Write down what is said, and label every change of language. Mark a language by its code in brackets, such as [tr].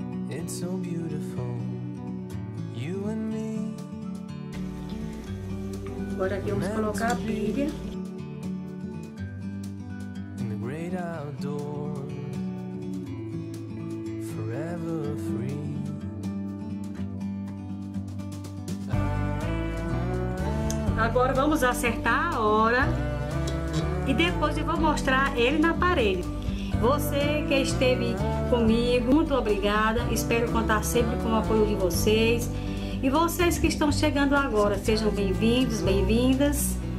[en] It's so beautiful, you and me. [pt] Agora aqui vamos colocar a pilha. [en] In the great outdoor, forever free. [pt] Agora vamos acertar a hora e depois eu vou mostrar ele na parede. Você que esteve comigo, muito obrigada. Espero contar sempre com o apoio de vocês. E vocês que estão chegando agora, sejam bem-vindos, bem-vindas.